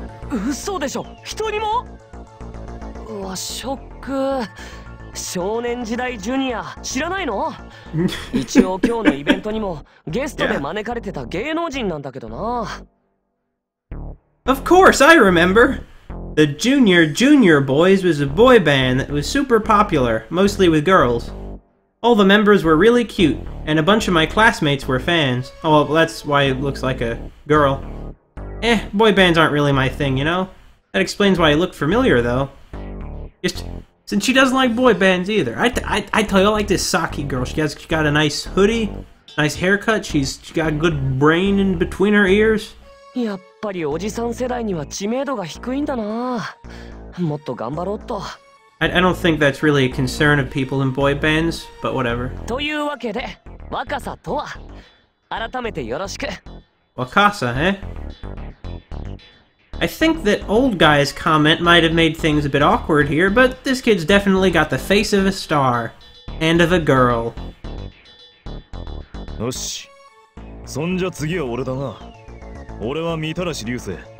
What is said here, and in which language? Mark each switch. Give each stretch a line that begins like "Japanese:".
Japanese: 嘘でしょ、人にも？うわ、ショック。少年時代ジュニア知らないの？一応今日のイベントにもゲストで招かれてた芸能人なんだけどな。
English: Of course I remember. The Junior Junior Boys was a boy band that was super popular, mostly with girls. All the members were really cute, and a bunch of my classmates were fans. Oh, well, that's why it looks like a girl. Eh, boy bands aren't really my thing, you know? That explains why I look familiar, though. Just since she doesn't like boy bands either. I tell you, I like this Saki girl. She got a nice hoodie, nice haircut, she got a good brain in between her ears. I don't think that's really a concern of people in boy bands, but whatever.
Japanese: というわけで、若さとは、改めてよろしく。
English: Wakasa, eh? I think that old guy's comment might have made things a bit awkward here, but this kid's definitely got the face of a star. And of a girl.
Japanese: よし。そんじゃ次は俺だな。俺はみたらし流星。